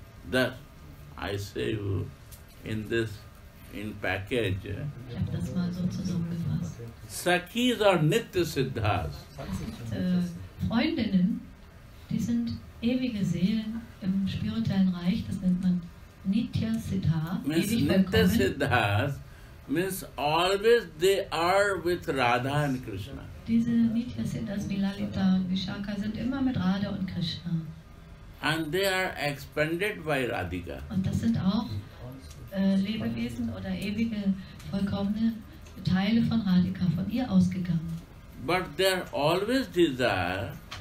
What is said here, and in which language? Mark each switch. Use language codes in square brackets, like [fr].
[en] That I say in this in package. [de] Ich habe das mal so zusammengefasst. [en] Sakis are Nitya Siddhas. [de] Das sind Freundinnen, die sind ewige Seelen im spirituellen Reich. Das nennt man Nitya Siddha. [en] Means Nitya Siddhas means always they are with Radha and Krishna. [de] Diese Nitya Siddhas wie Lalita und Vishaka sind immer mit Radha und Krishna. [en] And they are expanded by Radhika. [de] Und das sind auch Lebewesen oder ewige, vollkommene Teile von Radhika, von ihr ausgegangen. [en] But they are always desire